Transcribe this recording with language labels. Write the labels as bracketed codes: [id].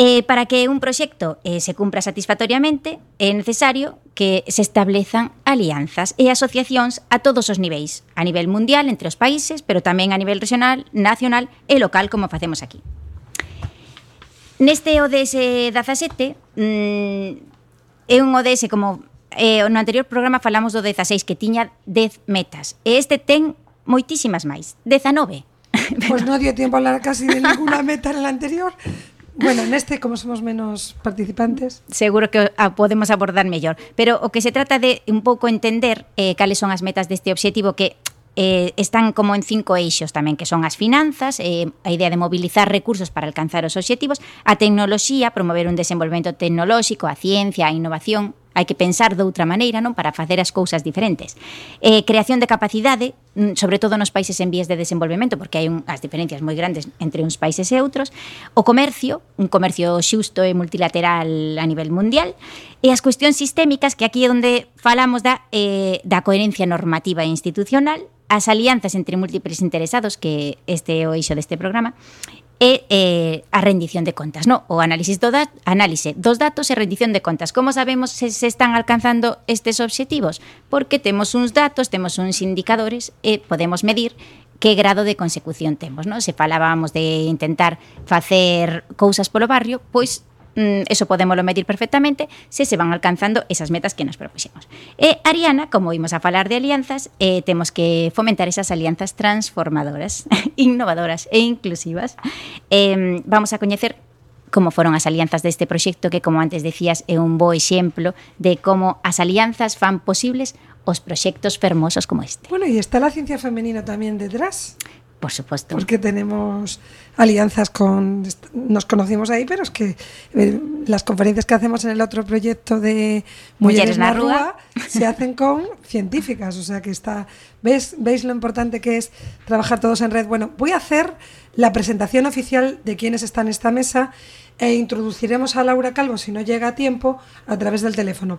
[gl] Para que un proxecto se cumpra satisfactoriamente, é necesario que se establezan alianzas e asociacións a todos os niveis, a nivel mundial, entre os países, pero tamén a nivel regional, nacional e local, como facemos aquí. Neste ODS 17, é un ODS como no anterior programa falamos do 16, que tiña 10 metas. E este ten moitísimas máis, 19. [es] Pois non dio tempo a hablar casi de ninguna meta en el anterior. [gl] Bueno, neste, como somos menos participantes, seguro que podemos abordar mellor. Pero o que se trata de un pouco entender cales son as metas deste objetivo, que están como en 5 eixos tamén, que son as finanzas, a idea de mobilizar recursos para alcanzar os objetivos, a tecnoloxía, promover un desenvolvemento tecnolóxico, a ciencia, a innovación, hai que pensar de outra maneira, non, para facer as cousas diferentes. Creación de capacidade, sobre todo nos países en vías de desenvolvemento, porque hai as diferencias moi grandes entre uns países e outros. O comercio, un comercio xusto e multilateral a nivel mundial. E as cuestións sistémicas, que aquí é onde falamos da coherencia normativa e institucional. As alianzas entre múltiples interesados, que este é o eixo deste programa. E a rendición de contas, ¿no? O análise dos datos e rendición de contas. Como sabemos se están alcanzando estes objetivos? Porque temos uns datos, temos uns indicadores e podemos medir que grado de consecución temos, ¿no? Se falábamos de intentar facer cousas polo barrio, pois eso podemoslo medir perfectamente se van alcanzando esas metas que nos propusimos. E Ariana, como vimos a falar de alianzas, temos que fomentar esas alianzas transformadoras, innovadoras e inclusivas. Vamos a coñecer como foron as alianzas deste proxecto, que, como antes decías, é un bo exemplo de como as alianzas fan posibles os proxectos fermosos como este. [es] Bueno, e está la ciencia femenina tamén detrás. Por supuesto. Porque tenemos alianzas con... Nos conocimos ahí, pero es que las conferencias que hacemos en el otro proyecto de Mujeres en la Rúa se hacen con científicas. O sea que está... ¿Veis lo importante que es trabajar todos en red? Bueno, voy a hacer la presentación oficial de quienes están en esta mesa e introduciremos a Laura Calvo, si no llega a tiempo, a través del teléfono.